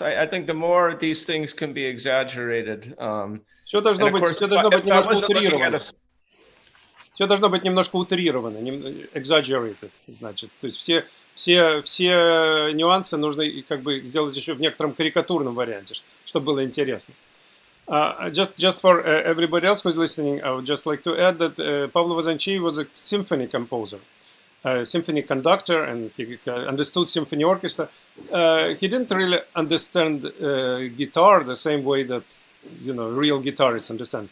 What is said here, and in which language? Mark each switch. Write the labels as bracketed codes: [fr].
[en] I think the more these things can be exaggerated, [ru] Все должно быть немного утрировано. все должно быть немножко утрировано, [en] exaggerated, [ru] значит. То есть все нюансы нужно как бы сделать еще в некотором карикатурном варианте, чтобы было интересно. [en] Just for everybody else who's listening, I would just like to add that Pavel Vozanchiy was a symphony composer, a symphony conductor, and he understood symphony orchestra. He didn't really understand guitar the same way that, you know, real guitarists understand.